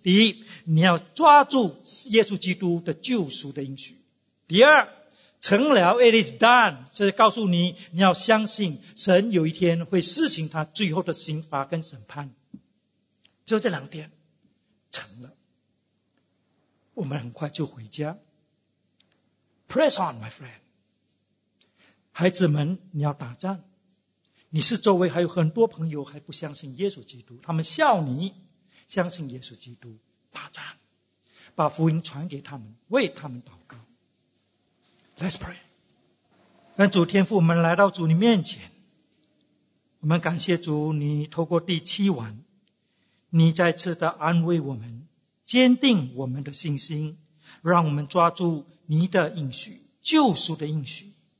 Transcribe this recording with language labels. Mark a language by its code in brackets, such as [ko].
[zh] 第一，你要抓住耶稣基督的救赎的应许。第二，成了 ， [en] it is done， [zh] 这是告诉你，你要相信神有一天会施行他最后的刑罚跟审判。就这两点，成了，我们很快就回家。 [en] Press on, my friend， [zh] 孩子们，你要打仗。你是周围还有很多朋友还不相信耶稣基督，他们笑你相信耶稣基督，打仗，把福音传给他们，为他们祷告。 [en] Let's pray。 [zh] 让主天父，我们来到主你面前，我们感谢主，你透过第七晚，你再次的安慰我们，坚定我们的信心，让我们抓住你的应许，救赎的应许。